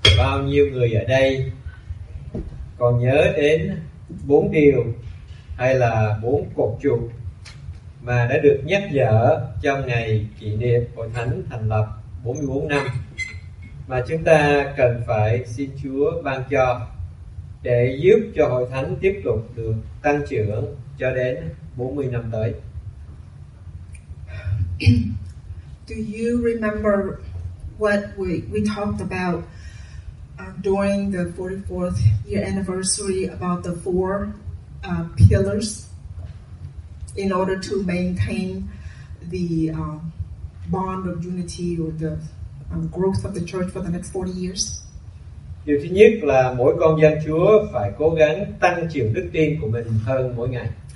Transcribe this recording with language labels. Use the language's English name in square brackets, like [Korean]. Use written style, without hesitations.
[Vietnamese] bao nhiêu người ở đây còn nhớ đến bốn điều hay là bốn cột trụ mà đã được nhắc nhở trong ngày kỷ niệm Hội Thánh thành lập 44 năm mà chúng ta cần phải xin Chúa ban cho để giúp cho Hội Thánh tiếp tục được tăng trưởng cho đến 40 năm tới. [English] Do you remember what we talked about during the 44th year anniversary about the four pillars in order to maintain the bond of unity or the growth of the church for the next 40 years? [Vietnamese] Điều thứ nhất là mỗi con dân Chúa phải cố gắng tăng trưởng đức tin của mình hơn mỗi ngày.